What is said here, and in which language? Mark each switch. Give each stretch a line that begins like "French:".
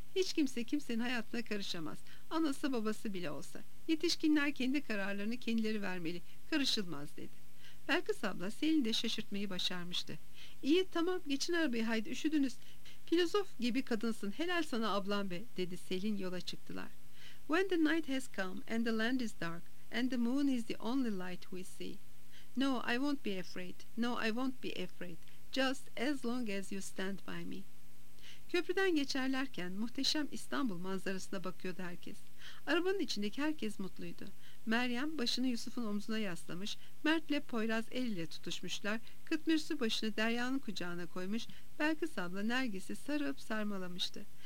Turkish: Hiç kimse kimsenin hayatına karışamaz. Anası babası bile olsa. Yetişkinler kendi kararlarını kendileri vermeli. Karışılmaz, dedi. Belkıs abla Selin de şaşırtmayı başarmıştı. İyi tamam, geçin arabayı, haydi üşüdünüz. Filozof gibi kadınsın, helal sana ablam be, dedi Selin, yola çıktılar.
English: When the night has come and the land is dark and the moon is the only light we see. No, I won't be afraid. No, I won't be afraid. Just as long as you stand by me.
Turkish: Köprüden geçerlerken muhteşem İstanbul manzarasına bakıyordu herkes. Arabanın içindeki herkes mutluydu. Meryem başını Yusuf'un omzuna yaslamış, Mert ile Poyraz el ile tutuşmuşlar, Kıtmir su başını Derya'nın kucağına koymuş, Belkıs abla Nergis'i sarıp sarmalamıştı.